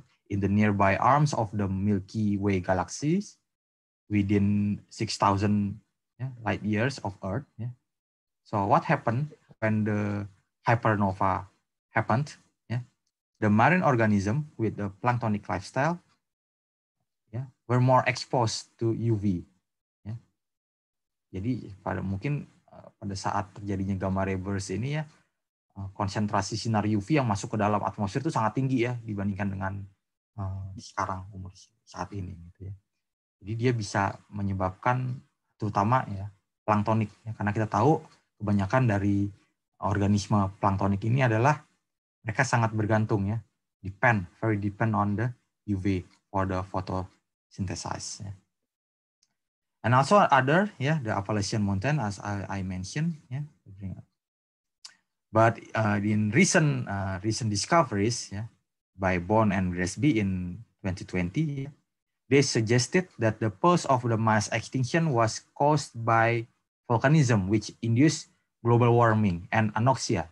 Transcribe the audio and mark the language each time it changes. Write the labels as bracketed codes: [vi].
[en] In the nearby arms of the Milky Way galaxies within 6,000 light years of Earth. Yeah. So what happened when the hypernova happened? Yeah. The marine organism with the planktonic lifestyle were more exposed to UV. Yeah. [id] Jadi pada mungkin pada saat terjadinya gamma ray burst ini ya, konsentrasi sinar UV yang masuk ke dalam atmosfer itu sangat tinggi ya dibandingkan dengan sekarang umur saat ini gitu ya. Jadi dia bisa menyebabkan terutama ya planktonik ya, karena kita tahu kebanyakan dari organisme planktonik ini adalah mereka sangat bergantung ya, [en] very depend on the UV for the photosynthesis [id] ya. [en] And also other ya yeah, the Appalachian Mountain as I mentioned ya yeah. But in recent discoveries ya yeah, by Bond and Grassby in 2020 yeah, they suggested that the pulse of the mass extinction was caused by volcanism which induced global warming and anoxia.